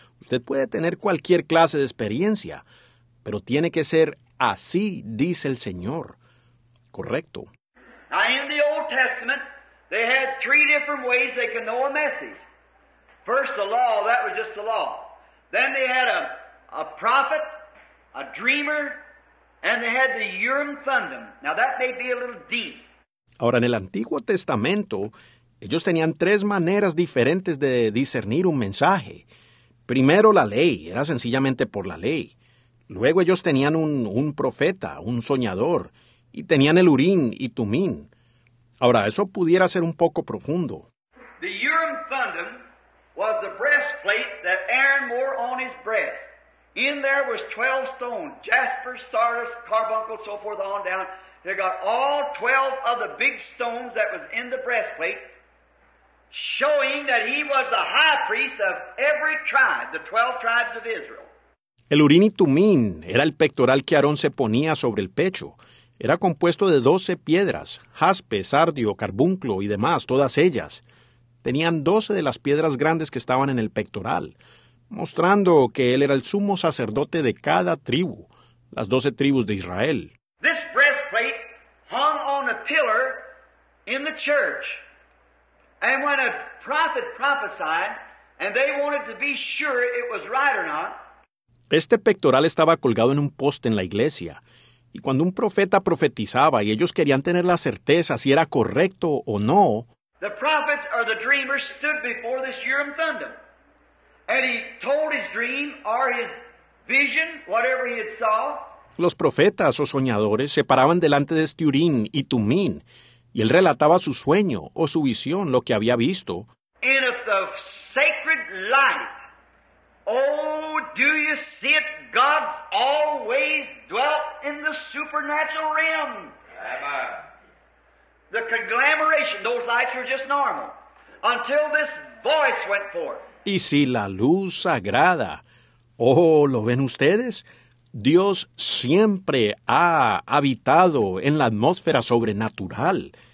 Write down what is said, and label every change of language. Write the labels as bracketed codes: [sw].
[es] Usted puede tener cualquier clase de experiencia, pero tiene que ser así, dice el Señor. Correcto. En el [en] Old Testament, they had three different ways they could know a message. First, the law, that was just the law. Then they had a prophet, a dreamer, and they had the Urim Thummim. Now, that may be a little deep. [es] Ahora, en el Antiguo Testamento, ellos tenían tres maneras diferentes de discernir un mensaje. Primero, la ley. Era sencillamente por la ley. Luego, ellos tenían un profeta, un soñador, y tenían el Urim y Tumim. Ahora, eso pudiera ser un poco profundo. [en] The Urim Thummim was the breastplate that Aaron wore on his breast. In there was 12 stones, jasper, sardis, carbuncle, so forth, on down. They got all 12 of the big stones that was in the breastplate, showing that he was the high priest of every tribe, the 12 tribes of Israel. [es] El Urim y Tumim era el pectoral que Aarón se ponía sobre el pecho. Era compuesto de 12 piedras, jaspe, sardio, carbunclo y demás, todas ellas. Tenían 12 de las piedras grandes que estaban en el pectoral, mostrando que él era el sumo sacerdote de cada tribu, las 12 tribus de Israel. [en] This breastplate hung on a pillar in the church And when a prophet prophesied, and they wanted to be sure it was right or not. [es] Este pectoral estaba colgado en un poste en la iglesia. Y cuando un profeta profetizaba y ellos querían tener la certeza si era correcto o no, [en] the prophets or the dreamers stood before this Urim Thummim. And he told his dream or his vision, whatever he had saw. [es] Los profetas o soñadores se paraban delante de este Urim y Tumim, y él relataba su sueño o su visión, lo que había visto. [en] And if the sacred light, oh, do you see it? God's always dwelt in the supernatural realm. The conglomeration, those lights were just normal. Until this voice went forth. [es] Y si la luz sagrada, oh, ¿lo ven ustedes? Dios siempre ha habitado en la atmósfera sobrenatural.